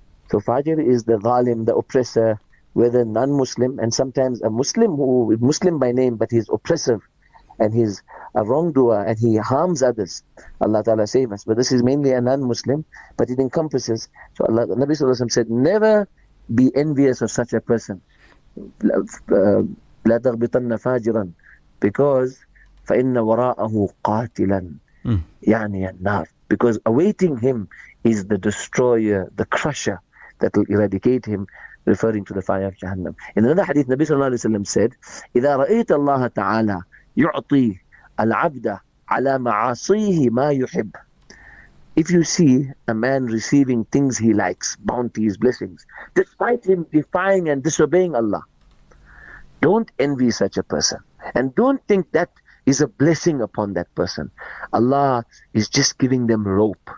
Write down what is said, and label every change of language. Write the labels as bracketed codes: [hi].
[en] So fajir is the zalim, the oppressor, whether non-Muslim, and sometimes a Muslim who is Muslim by name, but he's oppressive, and he's a wrongdoer, and he harms others. Allah Ta'ala save us. But this is mainly a non-Muslim, but it encompasses. So Allah, Nabi Sallallahu Alaihi Wasallam said, never be envious of such a person. [ar] لا تغبطن فاجرا, because فَإِنَّ وَرَاءَهُ قَاتِلًا يعني النار. [en] Because awaiting him is the destroyer, the crusher that will eradicate him, referring to the fire of Jahannam. In another hadith, Nabi Sallallahu Alaihi Wasallam said, [ar] إِذَا رَأَيْتَ اللَّهَ تَعَالَى يُعْطِي الْعَبْدَ عَلَى مَعَاصِيهِ مَا يُحِبْ. [en] If you see a man receiving things he likes, bounties, blessings, despite him defying and disobeying Allah, don't envy such a person. And don't think that is a blessing upon that person. Allah is just giving them rope.